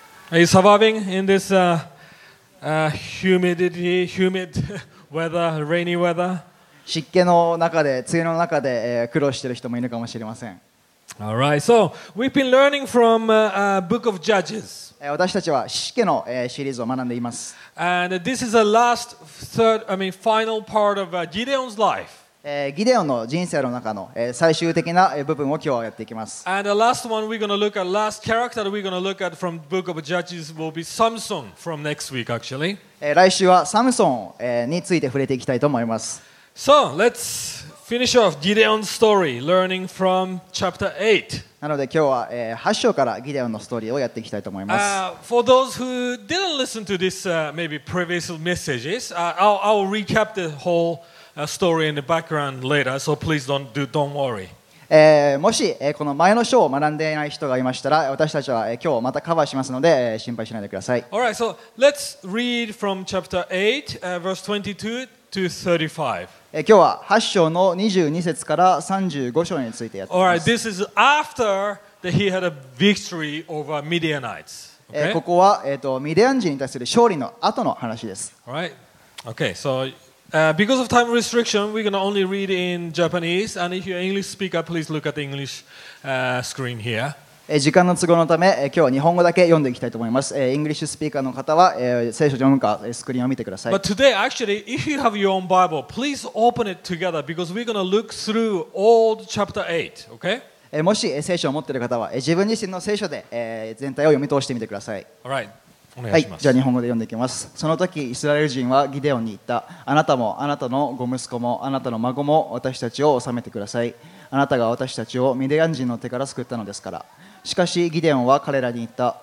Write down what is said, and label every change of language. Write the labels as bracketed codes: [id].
[en] Are you surviving in this humid weather, rainy weather? [ja] 湿気の中で、梅雨の中で、苦労している人もいるかもしれません。 [en] Alright, so we've been learning from a book of Judges. [ja] 私たちは詩記のシリーズを学んでいます。 [en] And this is the last, final part of Gideon's life. [ja] ギデオンの人生の中の最終的な部分を今日はやっていきます。 [en] And the last one we're going to look at, last character we're going to look at from the Book of Judges will be Samson from next week, actually. [ja] 来週はサムソンについて触れていきたいと思います。 [en] So, let's finish off Gideon's story, learning from chapter 8. [ja] なので今日は8章からギデオンのストーリーをやっていきたいと思います。 [en] For those who didn't listen to this maybe previous messages, I'll recap the whole. A story in the background later, so please don't worry. [ja] もし、この前の章を学んでいない人がいましたら、私たちは、今日またカバーしますので、心配しないでください。 [en] Alright, so let's read from chapter 8, verse 22 to 35. [ja] 今日は8章の22節から35章についてやってます。 [en] Alright, this is after that he had a victory over Midianites. Okay? [ja] ここは、ミディアン人に対する勝利の後の話です。 [en] Alright, okay, soBecause of time restriction, we're going to only read in Japanese. And if you're an English speaker, please look at the English screen here. [ja] 時間の都合のため、今日は日本語だけ読んでいきたいと思います。 [en] English speaker [ja] の方は、聖書を読むか、スクリーンを見てください。 [en] But today, actually, if you have your own Bible, please open it together because we're going to look through all chapter 8, okay? [ja] もし聖書を持っている方は、自分自身の聖書で、全体を読み通してみてください。 [en] All right. [ja] はい、じゃあ日本語で読んでいきます。その時イスラエル人はギデオンに言った。あなたもあなたのご息子もあなたの孫も私たちを治めてください。あなたが私たちをミディアン人の手から救ったのですから。しかしギデオンは彼らに言った。